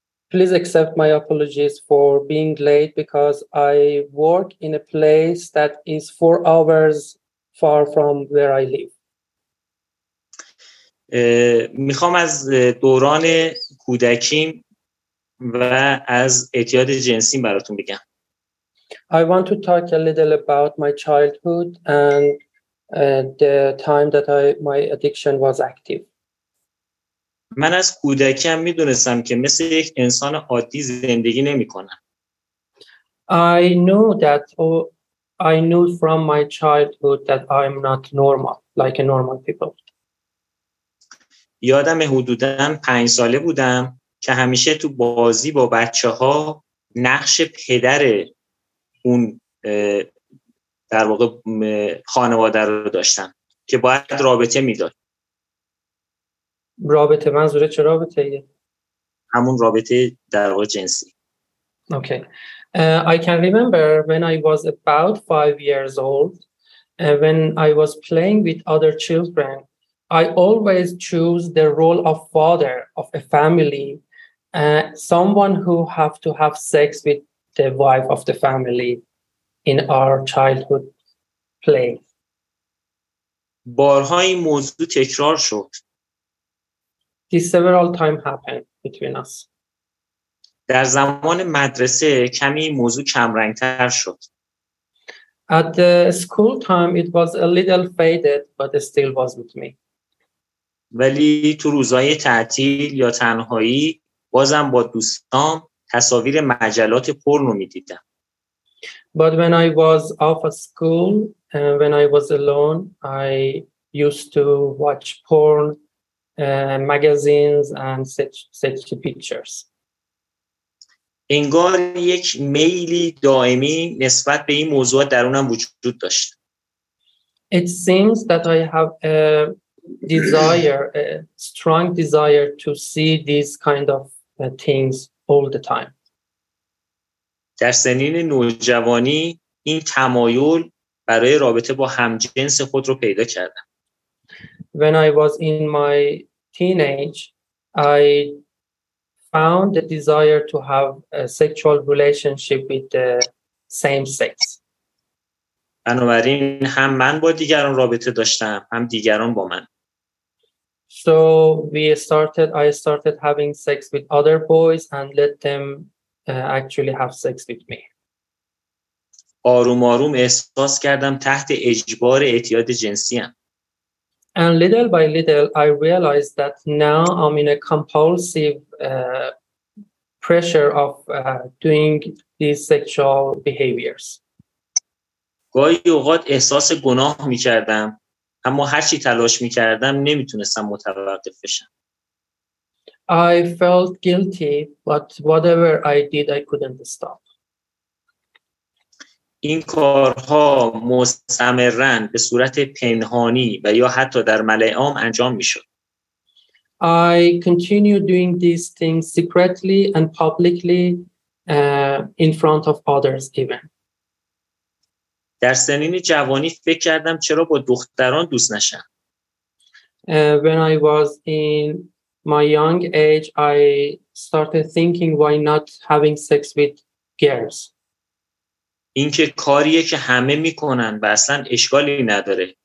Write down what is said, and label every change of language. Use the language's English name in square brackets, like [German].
[English] Please accept my apologies for being late because I work in a place that is 4 hours far from where I live. [Persian] میخوام از دوران کودکیم و از اعتیاد جنسی براتون بگم. [English] I want to talk a little about my childhood and the time that my addiction was active. [Persian] من از کودکیم میدونستم که مثل یک انسان عادی زندگی نمی کنم. [English] I knew from my childhood that I'm not normal, like a normal people. [Persian] یادم حدوداً 5 ساله بودم که همیشه تو بازی با بچه ها نقش پدر اون در واقع خانواده رو داشتم که باید رابطه می داد. رابطه منظوره چه رابطه ایه؟ همون رابطه در واقع جنسی. [English] Okay. I can remember when I was about 5 years old, when I was playing with other children, I always choose the role of father of a family, someone who have to have sex with the wife of the family in our childhood play. [Persian] بارها این موضوع تکرار شد. [English] This several time happened between us. [Persian] در زمان مدرسه کمی موضوع کم رنگ‌تر شد. [English] At the school time it was a little faded but still was with me. [Persian] ولی تو روزهای تعطیل یا تنهایی بازم با دوستام تصاویر مجلات پورنو می‌دیدم. [English] But when I was off at school and when I was alone I used to watch porn magazines and such pictures. [Persian] انگار یک میلی دائمی نسبت به این موضوع درونم وجود داشت. [English] It seems that I have a desire, a strong desire to see these kind of things all the time. [Persian] در سنین نوجوانی این تمایل برای رابطه با همجنس خود رو پیدا کردم. [English] When I was in my teenage, I found the desire to have a sexual relationship with the same sex. [Persian] بنابراین هم من با دیگران رابطه داشتم هم دیگران با من. [English] So I started having sex with other boys and let them actually have sex with me. [Persian] آروم آروم احساس کردم تحت اجبار اعتیاد جنسی ام. [English] And little by little I realized that now I'm in a compulsive pressure of doing these sexual behaviors. [Persian] گاهی اوقات احساس گناه می‌کردم اما هر چی تلاش می‌کردم نمی‌تونستم متوقف بشم. [English] I felt guilty but whatever I did I couldn't stop. [Persian] این کارها مستمرن به صورت پنهانی و یا حتی در ملأ عام انجام میشد. [English] I continue doing these things secretly and publicly in front of others even. [Persian] در سنین جوانی فکر کردم چرا با دختران دوست نشم. [English] When I was in my young age, I started thinking why not having sex with girls. [Persian] این که کاریه که همه میکنن و اصلا اشکالی نداره.